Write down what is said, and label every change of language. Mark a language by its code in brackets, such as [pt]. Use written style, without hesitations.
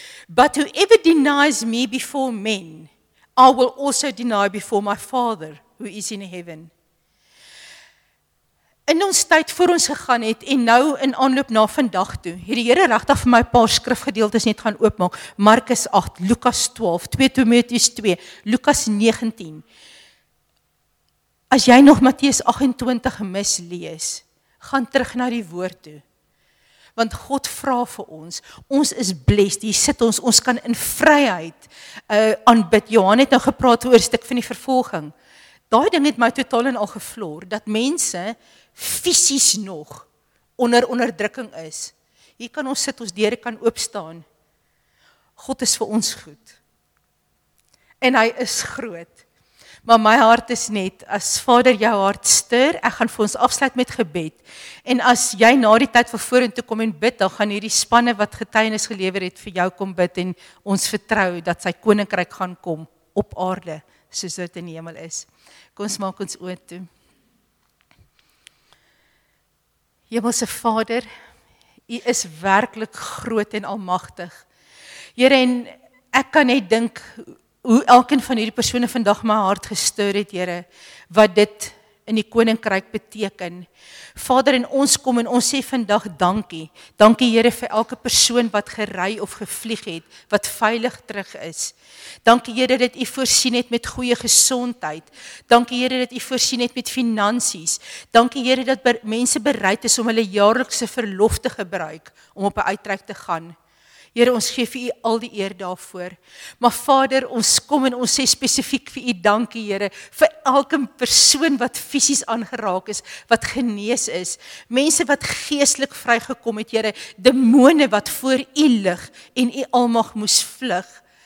[en] But whoever denies me before men, I will also deny before my Father who is in heaven. [af] In ons tyd voor ons gegaan het, en nou in aanloop na vandag toe, het die Here regtig vir my 'n paar skrifgedeeltes net gaan oopmaak. Markus 8, Lukas 12, 2 Timoteus 2, Lukas 19. As jy nog Matteus 28 mislees, gaan terug na die woord toe. Want God vra vir ons, ons is blessed, hier sit ons kan in vryheid aanbid. Johan het nou gepraat oor 'n stuk van die vervolging. Daai ding het my totaal en al gevloer, dat mense fisies nog onder onderdrukking is. Hier kan ons sit, ons deure kan oopstaan. God is vir ons goed. En hy is groot. Maar my hart is net, as Vader jou hart stuur, ek gaan vir ons afsluit met gebed. En as jy na die tyd van vorentoe kom en bid, dan gaan hierdie spanne wat getuienis gelewer het vir jou kom bid en ons vertrou dat sy koninkryk gaan kom op aarde, soos dit in die hemel is. Kom, maak ons oë toe. Hemelse Vader, U is werklik groot en almagtig. Here, en ek kan net dink hoe elkeen van hierdie persone vandag my hart gestuur het, Here, wat dit in die koninkryk beteken. Vader, en ons kom en ons sê vandag dankie. Dankie Here vir elke persoon wat gery of gevlieg het, wat veilig terug is. Dankie Here dat U voorsien het met goeie gesondheid. Dankie Here dat U voorsien het met finansies. Dankie Here dat mense bereid is om hulle jaarlikse verlof te gebruik om op 'n uittrek te gaan. Here, ons gee vir U al die eer daarvoor. Maar Vader, ons kom en ons sê spesifiek vir U dankie, Here, vir elke persoon wat fisies aangeraak is, wat genees is, mense wat geestelik vrygekom het, Here, demone wat voor U lig en U almag moes vlug.